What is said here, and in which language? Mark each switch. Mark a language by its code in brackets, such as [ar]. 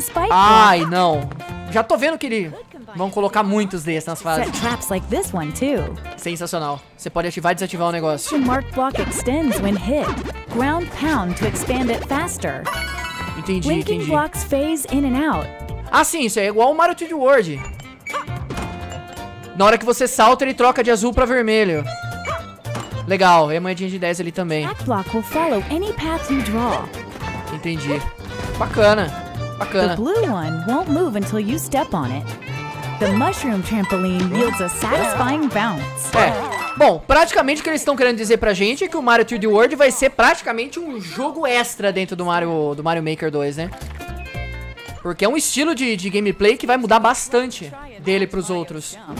[pt] Ai, não. Já tô vendo que ele... Vão colocar muitos desses nas fases. [en] Like this one too. [pt] Sensacional. Você pode ativar e desativar o negócio. [en] Mark block extends when hit. Ground pound to expand it faster. [pt] Entendi, [en] blinking [pt] entendi. [en] Blocks phase in and out. [pt] Ah, sim, isso é igual o Mario 3D World. Na hora que você salta, ele troca de azul pra vermelho. Legal, e a moedinha de 10 ali também. [en] Track block will follow any path you draw. [pt] Entendi. Bacana. Bacana. [en] The blue one won't move until you step on it. The mushroom trampoline yields a satisfying bounce. [pt] É. Bom, praticamente o que eles estão querendo dizer pra gente é que o Mario 3D World vai ser praticamente um jogo extra dentro do Mario Maker 2, né? Porque é um estilo de gameplay que vai mudar bastante dele pros outros.